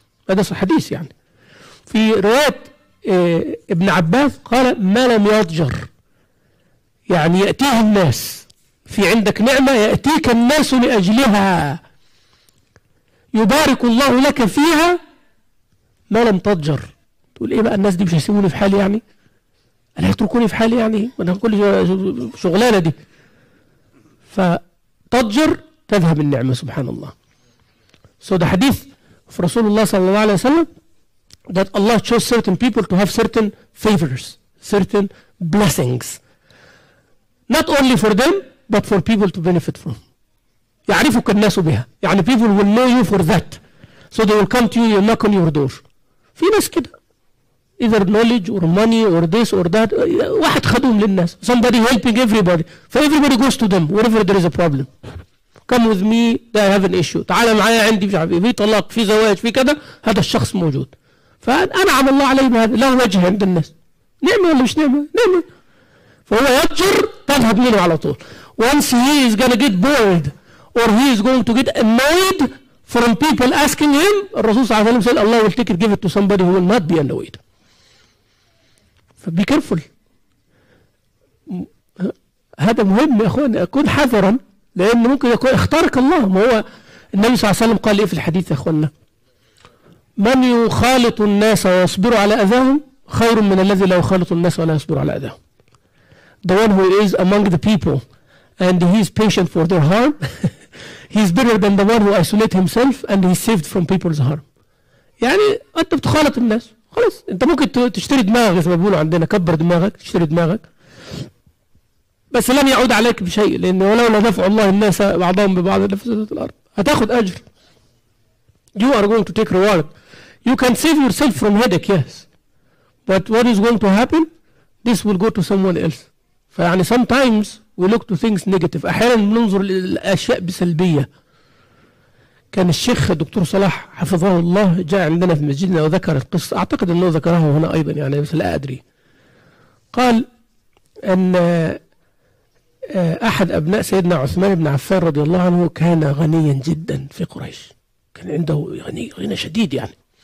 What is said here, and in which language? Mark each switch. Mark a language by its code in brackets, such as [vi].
[ar] هذا حديث يعني في رواية ابن عباس قال ما لم يضجر، يعني يأتيه الناس، في عندك نعمة يأتيك الناس لأجلها يبارك الله لك فيها ما لم تضجر. تقول ايه بقى الناس دي مش هيسيبوني في حالي، يعني انا هيتركوني في حالي، يعني وانا هقول شغلانة دي، فتضجر تذهب النعمة سبحان الله. سو ده حديث في رسول الله صلى الله عليه وسلم [en] that Allah chose certain people to have certain favors, certain blessings. Not only for them, but for people to benefit from. [ar] يعرفك الناس بها. [en] يعني people will know you for that. So they will come to you and knock on your door. [ar] في ناس كده. [en] Either knowledge or money or this or that. [ar] واحد خدوم للناس. [en] Somebody helping everybody. For everybody goes to them wherever there is a problem. Come with me, they have an issue. [ar] تعال معايا عندي في طلاق، في زواج، في كده. هذا الشخص موجود. فأنعم الله عليه بهذا، له وجه عند الناس، نعمة ولا مش نعمة؟ نعمة. فهو يضجر تذهب منه على طول. [en] Once he is gonna get bored or he is going to get annoyed from people asking him, [ar] الرسول صلى الله عليه وسلم قال الله [en] will take it, give it to somebody who will not be annoyed. فبي careful. [ar] هذا مهم يا أخوان، أكون حذرا لأن ممكن يكون اختارك الله. ما هو النبي صلى الله عليه وسلم قال إيه في الحديث يا أخوانا؟ من يخالط الناس ويصبر على أذاهم خير من الذي لا يخالط الناس ولا يصبر على أذاهم. [en] The one who is among the people and he is patient for their harm. He is better than the one who isolates himself and he is saved from people's harm. [ar] يعني انت بتخالط الناس خلاص, انت ممكن تشتري دماغك زي ما بيقولوا عندنا, كبر دماغك تشتري دماغك بس لن يعود عليك بشيء, لان ولولا دفع الله الناس بعضهم ببعض لفسدت الارض, هتاخد اجر. [en] You are going to take reward. You can save yourself from headache, yes. But what is going to happen? This will go to someone else. فيعني sometimes we look to things negative. [ar] احيانا بننظر للاشياء بسلبيه. كان الشيخ الدكتور صلاح حفظه الله جاء عندنا في مسجدنا وذكر القصه, اعتقد انه ذكرها هنا ايضا يعني بس لا ادري. قال ان احد ابناء سيدنا عثمان بن عفان رضي الله عنه كان غنيا جدا في قريش, كان عنده غني غنى شديد يعني.